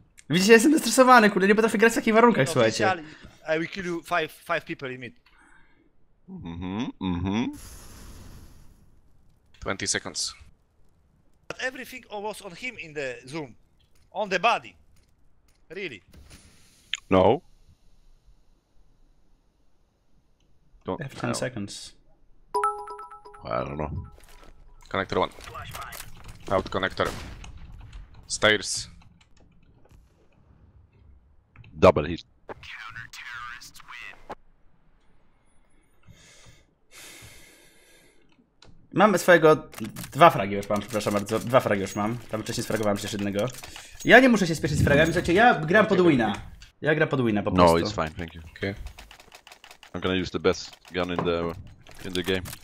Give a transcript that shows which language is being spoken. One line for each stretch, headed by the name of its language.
Polish: Widzicie, jestem zestresowany, kurde, nie potrafię grać w takich warunkach, słuchajcie.
English: I will kill you five people in mid. Mhm, mhm. 20 seconds. But everything was on him in the zoom. On the body. Really. No. Don't have 10 seconds. Well, I don't know. Connector one. Out connector. Stairs. Double hit.
Polish: Mamy swojego. Dwa fragi już mam, przepraszam bardzo. Dwa fragi już mam. Tam wcześniej sfragowałem przecież jednego. Ja nie muszę się spieszyć z fragami, słuchajcie, ja gram pod wina. Ja gram pod wina po prostu.
English: No, it's fine, thank you. Okay. I'm gonna use the best gun in the game.